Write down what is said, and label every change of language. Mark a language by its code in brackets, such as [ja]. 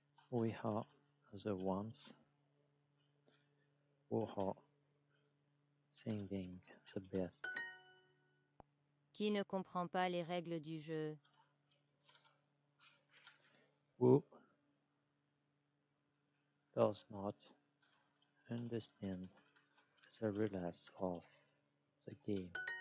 [en] We are the ones who are singing the best. [fr] Qui ne comprend pas les règles du jeu? [en] Who does not understand the rules of the game?